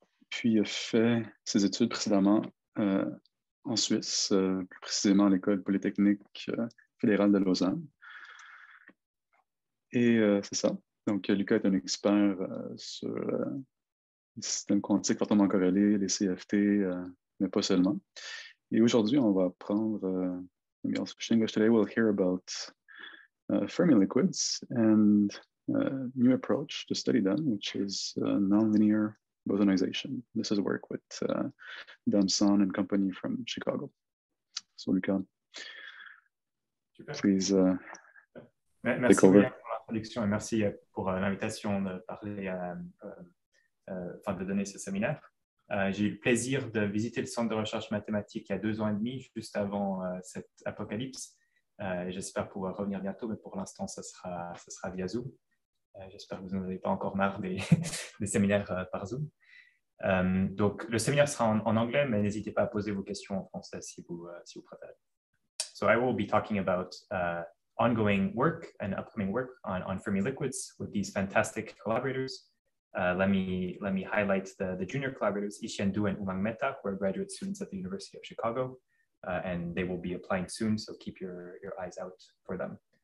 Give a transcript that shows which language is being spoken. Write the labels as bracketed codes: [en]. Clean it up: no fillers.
[fr] Puis il a fait ses études précédemment en Suisse, plus précisément à l'École polytechnique fédérale de Lausanne. Et c'est ça. Donc, Luca est un expert sur les systèmes quantiques fortement corrélés, les CFT, mais pas seulement. Et aujourd'hui, on va apprendre [en] English English. Today, we'll hear about Fermi liquids and new approach to study them, which is non-linear bosonization. This is work with Dam Thanh and company from Chicago. So, Luca, please take over. [fr] Et merci pour l'invitation de parler, de donner ce séminaire. J'ai eu le plaisir de visiter le centre de recherche mathématique il y a 2 ans et demi, juste avant cette apocalypse. J'espère pouvoir revenir bientôt, mais pour l'instant, ce sera via Zoom. J'espère que vous n'en avez pas encore marre des séminaires par Zoom. Donc, le séminaire sera en anglais, mais n'hésitez pas à poser vos questions en français si vous préférez. [en] So I will be talking about ongoing work and upcoming work on Fermi liquids with these fantastic collaborators. Let me highlight the junior collaborators, Yi-Hsien and Umang Mehta, who are graduate students at the University of Chicago, and they will be applying soon, so keep your eyes out for them.